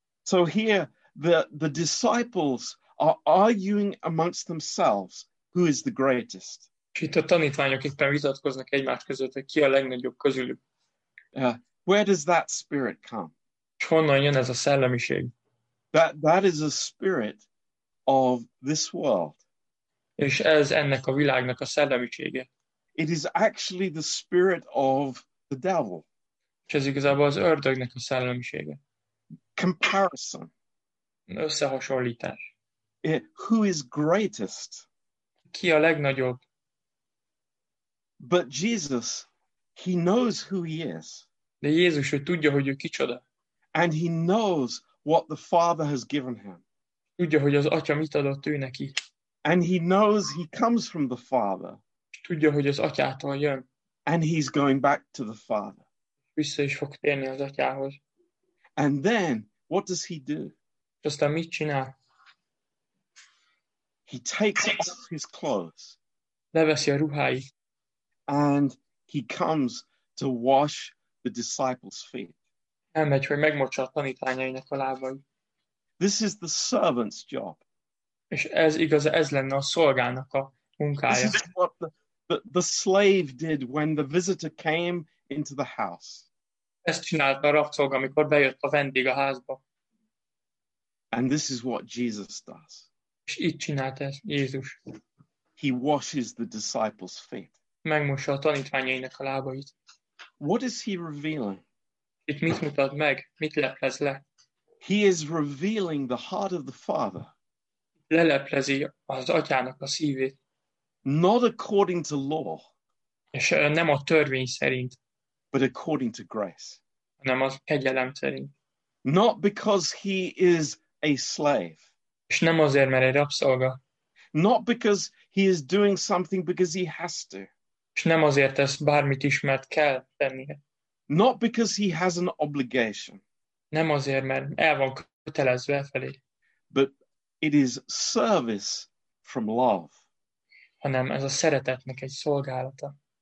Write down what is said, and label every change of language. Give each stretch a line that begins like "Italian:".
English: So here the disciples are arguing amongst themselves who is the greatest.
Hungarian: És itt a tanítványok éppen vitatkoznak egymás között, hogy ki a legnagyobb közülük.
English: Where does that spirit come?
Hungarian: És honnan jön ez a szellemiség?
English: That is a spirit of this world.
Hungarian: És ez ennek a világnak a szellemisége.
English: It is actually the spirit of the devil.
Hungarian: És ez igazából az ördögnek a szellemisége.
English: Comparison.
Hungarian: Összehasonlítás.
English: Who is greatest?
Hungarian: Ki a legnagyobb?
English: But Jesus, he knows who he is.
Hungarian: De Jézus, ő tudja, hogy ő kicsoda.
English: And he knows what the Father has given him.
Hungarian: Tudja, hogy az Atya mit adott ő neki.
English: And he knows he comes from the Father.
Hungarian: tudja, hogy az atyától jön.
English: And he's going back to the Father.
Hungarian: Vissza is fog térni az atyához.
English: And then, what does he do?
Hungarian: Aztán mit csinál?
English: He takes off his clothes.
Hungarian: Leveszi a ruháit.
English: And he comes to wash the disciples' feet.
Hungarian: Elmegy, hogy megmocsa a tanítványainak a lábait.
English: This is the servant's job.
Hungarian: És ez igaz, ez lenne a szolgának a munkája.
English: This is what the slave did when the visitor came into the house.
Hungarian: Ezt csinálta a rabszolg, amikor bejött a vendég a házba.
English: And this is what Jesus does.
Hungarian: És itt csinálta ezt Jézus.
English: He washes the disciples' feet.
Hungarian: Megmossa a tanítványainak a lábait.
English: What is he revealing?
Hungarian: Itt mit mutat meg? Mit leplez le?
English: He is revealing the heart of the Father.
Hungarian: Leleplezi az atyának a szívét.
English: Not according to law.
Hungarian: És nem a törvény szerint.
English: But according to grace.
Hungarian: Nem az kegyelem szerint.
English: Not because he is a slave.
Hungarian: És nem azért, mert egy rabszolga.
English: Not because he is doing something because he has to.
Hungarian: És nem azért tesz bármit is, mert kell tennie.
English: Not because he has an obligation.
Hungarian: Nem azért, mert el van kötelezve felé.
English: But it is service from love.
Hungarian: Hanem ez a szeretetnek egy szolgálata.